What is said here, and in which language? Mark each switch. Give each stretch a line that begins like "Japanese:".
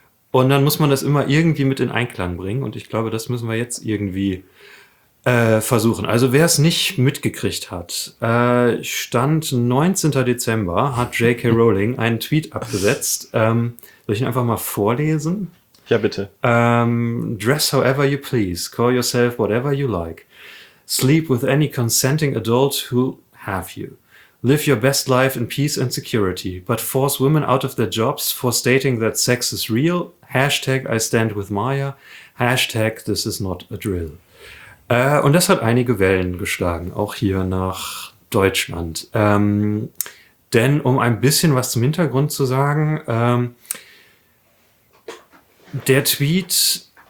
German: Und dann muss man das immer irgendwie mit in Einklang bringen. Und ich glaube, das müssen wir jetzt irgendwie versuchen. Also wer es nicht mitgekriegt hat, Stand 19. Dezember hat J.K. Rowling einen Tweet abgesetzt. Soll ich ihn einfach mal vorlesen? Ja, bitte.
English: Dress however you please. Call yourself whatever you like. Sleep with any consenting adult who have you. Live your best life in peace and security, but force women out of their jobs for stating that sex is real. Hashtag I stand with Maya. Hashtag this is not a drill.
German: Und das hat einige Wellen geschlagen, auch hier nach Deutschland. Denn um ein bisschen was zum Hintergrund zu sagen, der Tweet...